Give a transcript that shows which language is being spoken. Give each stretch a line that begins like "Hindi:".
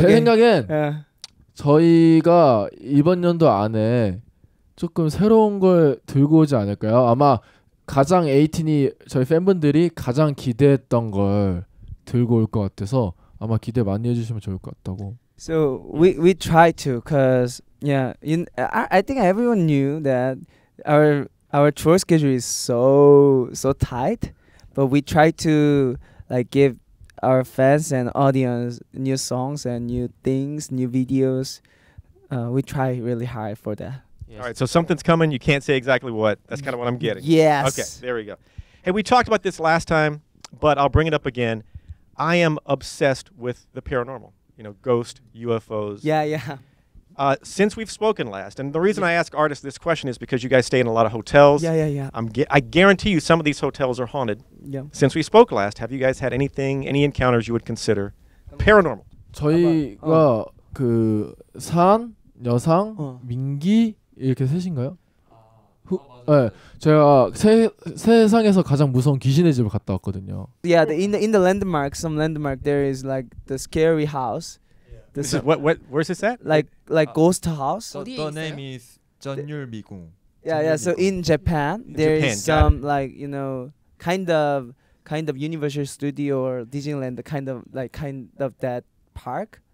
Korean: 제 생각엔 저희가 이번 연도 안에 조금 새로운 걸 들고 오지 않을까요? 아마 가장 에이틴이 저희 팬분들이 가장 기대했던 걸 들고 올 것 같아서 아마 기대 많이 해주시면 좋을 것 같다고.
English: So we try to, cause I think everyone knew that our tour schedule is so tight, but we try to like give our fans and audience new songs and new things, new videos. We try really hard for that. All right, so something's coming. You can't say exactly what. That's kind of what I'm getting. Yes. Okay, there we go. Hey, we talked about this last time, but I'll bring it up again. I am obsessed with the paranormal, you know, ghosts, UFOs. Yeah. Since we've spoken last, and the reason I ask artists this question is because you guys stay in a lot of hotels. Yeah. I guarantee you some of these hotels are haunted. Yeah. Since we spoke last, have you guys had anything, any encounters you would consider paranormal?
Korean: 저희가 그 산, 여상, 민기, 이렇게 셋인가요? 제가 세상에서 가장 무서운 귀신의 집을 갔다 왔거든요.
English: Yeah, in the landmark, some landmark, there is like the scary house. This is what? Where's this at? Like ghost house. The name is 전율미궁. Yeah. So in Japan, like you know, kind of Universal Studio or Disneyland, kind of that park.